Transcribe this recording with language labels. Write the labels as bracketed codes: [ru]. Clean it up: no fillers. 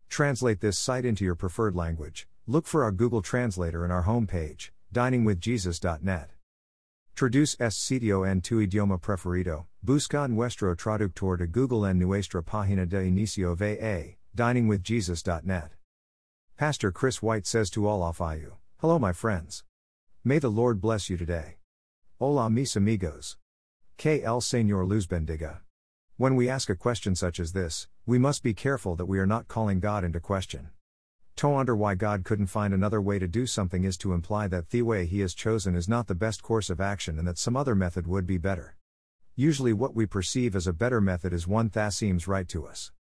[en] Translate this site into your preferred language. Look for our Google Translator in our homepage, diningwithjesus.net. [es] Traduce este sitio en tu idioma preferido, busca nuestro traductor de Google en nuestra página de inicio VA, diningwithjesus.net. [en] Pastor Chris White says to all of you, hello my friends. May the Lord bless you today. [es] Hola mis amigos. Que el Señor los bendiga. [en] When we ask a question such as this, we must be careful that we are not calling God into question. To wonder why God couldn't find another way to do something is to imply that the way he has chosen is not the best course of action and that some other method would be better. Usually what we perceive as a better method is one that seems right to us.